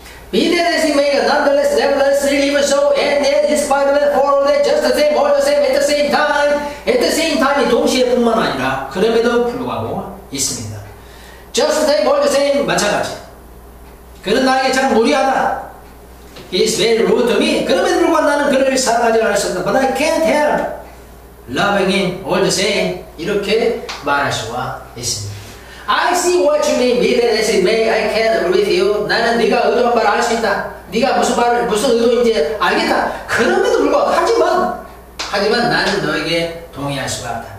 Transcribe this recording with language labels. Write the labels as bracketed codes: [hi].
[en] Be that as it may, nonetheless, nevertheless, even so, and yet, despite of that, for all that, just the same, all the same, at the same time, at the same time, [ko] 동시에 뿐만 아니라, 그럼에도 불구하고, 있습니다. [en] Just the same, all the same, [ko] 마찬가지. 그는 나에게 참 무리하다. [en] He's very rude to me. [ko] 그럼에도 불구하고 나는 그를 사랑하지 않을 수 없다. [en] But I can't help loving him all the same. [ko] 이렇게 말할 수가 있습니다. [en] I see what you mean, be that as it may, I can't agree with you. [ko] 나는 네가 의도한 말을 알 수 있다. 네가 무슨 말을, 무슨 의도인지 알겠다. 그럼에도 불구하고, 하지만 나는 너에게 동의할 수가 없다.